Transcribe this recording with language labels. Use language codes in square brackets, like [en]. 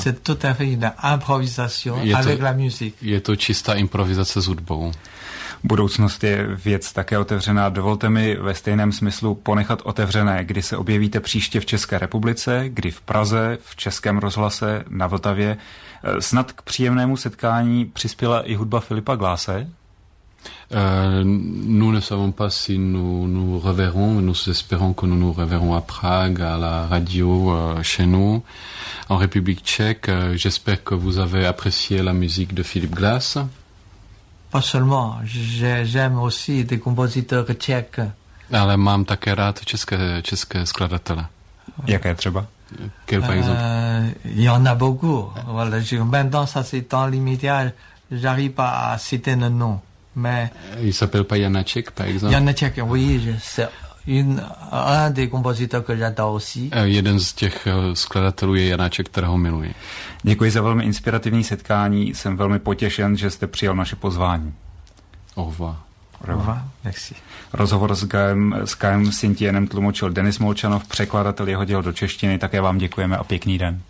[fr] C'est tout à fait une improvisation avec la musique. [cs] Je to čistá improvizace s hudbou. Budoucnost je věc také otevřená. Dovolte mi ve stejném smyslu ponechat otevřené, kdy se objevíte příště v České republice, kdy v Praze, v Českém rozhlase, na Vltavě. Snad k příjemnému setkání přispěla i hudba Filipa Glase. [fr] Nous ne savons pas si nous reverrons, nous espérons que nous reverrons à Prague, à la radio, chez nous, en République tchèque. J'espère que vous avez apprécié la musique de Filip Glas. Pas seulement, j'aime aussi des compositeurs tchèques. [cs] Ale mám také rád české skladatele. Jaké třeba? [fr] Quel par exemple? Il y en a beaucoup. Voilà, maintenant, ça c'est temps limité, j'arrive pas à citer le nom. Mais il s'appelle pas Janáček, par exemple? Janáček, oui, c'est un des compositeurs que j'adore aussi. Jeden z těch skladatelů je Janáček, kterého miluji. [cs] Děkuji za velmi inspirativní setkání. Jsem velmi potěšen, že jste přijal naše pozvání. [fr] Au revoir. Au revoir, merci. [cs] Rozhovor s Kajem Sintienem tlumočil Denis Molčanov, překladatel jeho děl do češtiny. Také vám děkujeme a pěkný den.